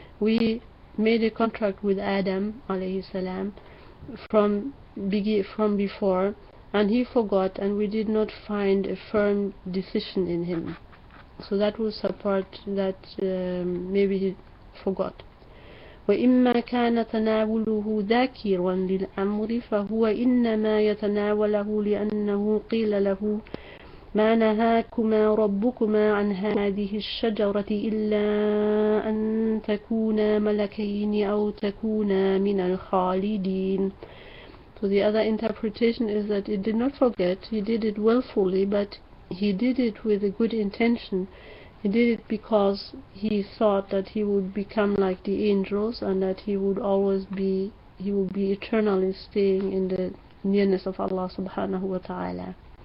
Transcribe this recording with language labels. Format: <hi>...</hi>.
<en>We made a contract with Adam alayhi salam from before, and he forgot, and we did not find a firm decision in him. So that will support that maybe he forgot.</en> <ar>وَإِمَّا كَانَ تَنَاوُلُهُ ذَاكِرًا لِلْأَمْرِ فَهُوَ إِنَّمَا يَتَنَاوَلَهُ لِأَنَّهُ قِيلَ لَهُ مَا نَهَاكُمَا رَبُّكُمَا عَنْ هَذِهِ الشَّجَرَةِ إِلَّا أَنْ تَكُونَا مَلَكَيْنِ أَوْ تَكُونَا مِنَ الْخَالِدِينَ.</ar> <en>So the other interpretation is that he did not forget, he did it willfully, but he did it with a good intention. He did it because he thought that he would become like the angels and that he would be eternally staying in the nearness of Allah subhanahu wa ta'ala.</en>